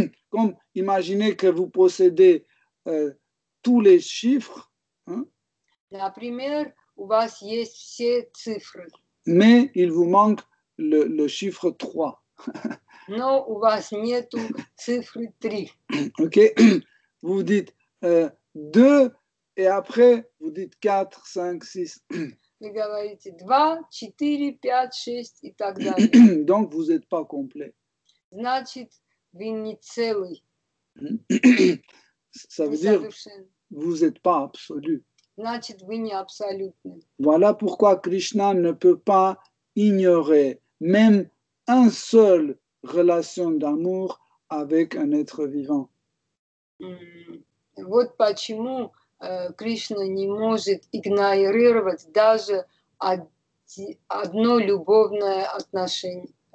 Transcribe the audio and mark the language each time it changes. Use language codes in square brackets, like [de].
[fr] Comme imaginez que vous possédez tous les chiffres. Hein? [ru] Например, у вас есть все цифры. [fr] Mais il vous manque le chiffre 3. [ru] Но у вас нету цифры 3. OK. [fr] Vous dites 2 et après vous dites 4, 5, 6. [ru] Вы говорите 2, 4, 5, 6 и так далее. [fr] Donc vous n'êtes pas complet. [ru] Значит, вы не целый. [fr] Ça veut dire vous n'êtes pas absolu. [ru] Значит, вы не абсолютный. [fr] Voilà pourquoi Krishna ne peut pas ignorer même un seul relation d'amour avec un être vivant. [ru] Вот почему Кришна не может игнорировать даже одно любовное отношение.